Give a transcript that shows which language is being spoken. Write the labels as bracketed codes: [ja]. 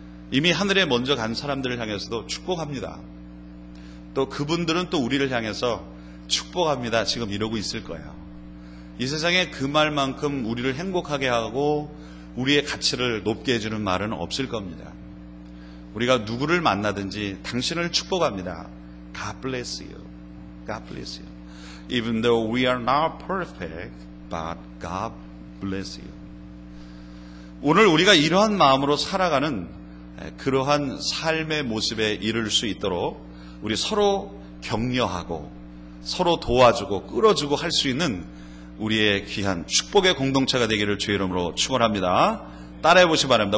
[ko] 이미 하늘에 먼저 간 사람들을 향해서도 축복합니다. 또 그분들은 또 우리를 향해서 축복합니다. 지금 이러고 있을 거예요. 이 세상에 그 말만큼 우리를 행복하게 하고 우리의 가치를 높게 해주는 말은 없을 겁니다. 우리가 누구를 만나든지 당신을 축복합니다. [en] God bless you. God bless you. Even though we are not perfect, but God bless you. [ko] 오늘 우리가 이러한 마음으로 살아가는 그러한 삶의 모습에 이를 수 있도록 우리 서로 격려하고 서로 도와주고 끌어주고 할 수 있는 우리의 귀한 축복의 공동체가 되기를 주의 이름으로 축원합니다. 따라해 보시기 바랍니다.